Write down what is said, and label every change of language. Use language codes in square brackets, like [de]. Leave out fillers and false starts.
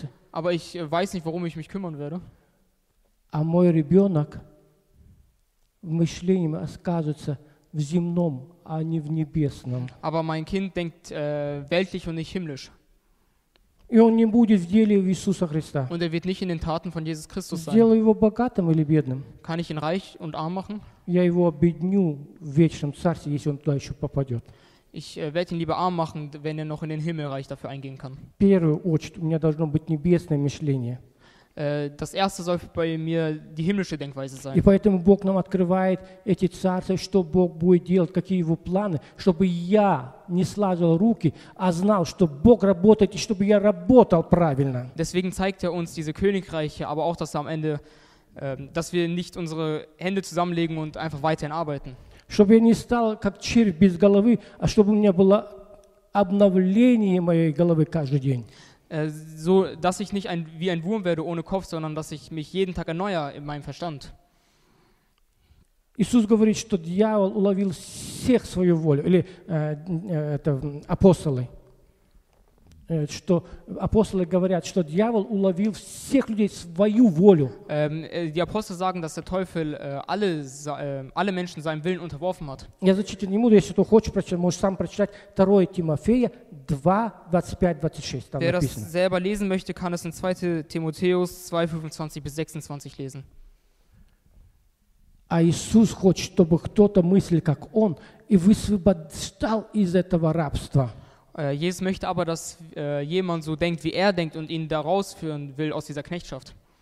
[de] Aber ich weiß nicht, worum ich mich kümmern werde. [ru] А мой ребенок в мышлении оказывается в земном, а не в небесном. [de] Aber mein Kind denkt weltlich und nicht himmlisch. [ru] И он не будет в деле Иисуса Христа. [de] Und wird nicht in den Taten von Jesus Christus sein. [ru] Сделаю его богатым или бедным. [de] Kann ich ihn reich und arm machen? [ru] Я его обедню в вечном царстве, если он туда еще попадет. [de] Ich werde ihn lieber arm machen, wenn er noch in den Himmelreich dafür eingehen kann. [ru] В первую очередь у меня должно быть небесное мышление. [de] Das erste soll bei mir die himmlische Denkweise sein. [ru] И поэтому Бог нам открывает эти царства, что Бог будет делать, какие его планы, чтобы я не сложил руки, а знал, что Бог работает, и чтобы я работал правильно. [de] Deswegen zeigt er uns diese Königreiche, aber auch, dass am Ende, dass wir nicht unsere Hände zusammenlegen und einfach weiterhin arbeiten. [ru] Чтобы я не стал как червь без головы, а чтобы у меня было обновление моей головы каждый день. [de] So, dass ich nicht wie ein Wurm werde ohne Kopf, sondern dass ich mich jeden Tag erneuere in meinem Verstand. [ru] Иисус говорит, что дьявол уловил всех свою волю, или это апостолы, что апостолы говорят, что дьявол уловил всех людей свою волю. [de] Die Apostel sagen, dass der Teufel alle Menschen seinem Willen unterworfen hat. [ru] Я зачитаю немного, если ты хочешь прочитать, можешь сам прочитать 2 Тимофея 2:25-26. [de] Wer das selber lesen möchte, kann es in 2. Timotheus 2:25-26 lesen. [ru] А Иисус хочет, чтобы кто-то мыслил как он и высвобождал из этого рабства. [de] Jesus möchte aber, dass jemand so denkt, wie denkt und ihn da rausführen will aus dieser Knechtschaft.